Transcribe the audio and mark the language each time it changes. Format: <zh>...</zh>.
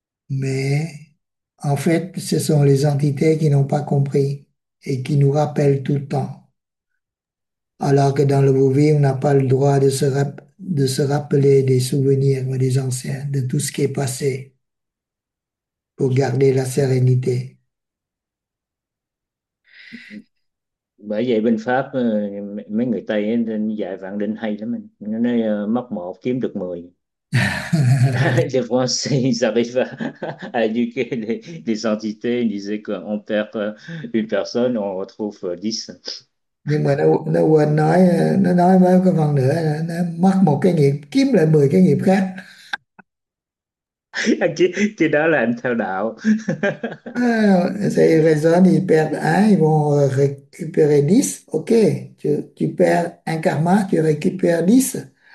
<fr>Mais en fait, ce sont les entités qui n'ont pas compris et qui nous rappellent tout le temps. Alors que dans le vivant, on n'a pas le droit de se rappeler des souvenirs des anciens, de tout ce qui est passé, pour garder la sérénité.</fr> <vi>Bởi vậy bên Pháp mấy người Tây ấy, nên dạy vạn linh hay lắm mình, nó nói mất một kiếm được 10.</vi> <fr>Les entités disaient qu'on perd une personne, on retrouve 10.</fr> <vi>Nhưng mà nó quên nói, nó nói mấy cái phần nữa, nó mất một cái nghiệp kiếm lại 10 cái nghiệp khác. Cái đó là anh theo đạo.</vi> <fr>C'est raison, ils perdent un, ils vont récupérer 10. Ok, tu perds un karma, tu récupères 10.</fr>